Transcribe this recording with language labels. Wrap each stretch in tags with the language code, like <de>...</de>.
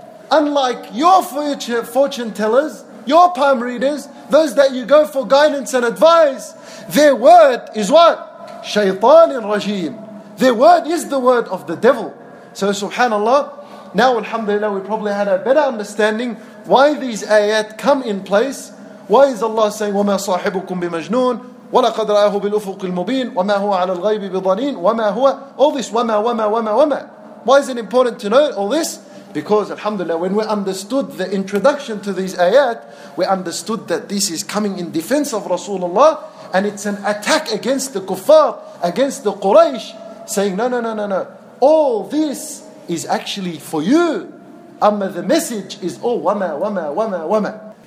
<en>Unlike your fortune tellers, your palm readers, those that you go for guidance and advice, their word is what? Shaytan al-Rajim. Their word is the word of the devil. So subhanAllah, now alhamdulillah, we probably had a better understanding why these ayat come in place. Why is Allah saying,</en> <ar>وَمَا صَاحِبُكُمْ بِمَجْنُونَ وَلَقَدْ رَأَهُ بِالْأُفُقِ الْمُبِينَ وَمَا هُوَ عَلَى الْغَيْبِ بِضَنِينَ وَمَا هُوَ.</ar> <en>All this,</en> <ar>وَمَا وَمَا وَمَا وَمَا.</ar> <en>Why is it important to know all this? Because alhamdulillah, when we understood the introduction to these ayat, we understood that this is coming in defense of Rasulullah. And it's an attack against the kuffar, against the Quraysh, saying, no. All this is actually for you. Amma, the message is, oh, wama, wama, wama, wama.</en>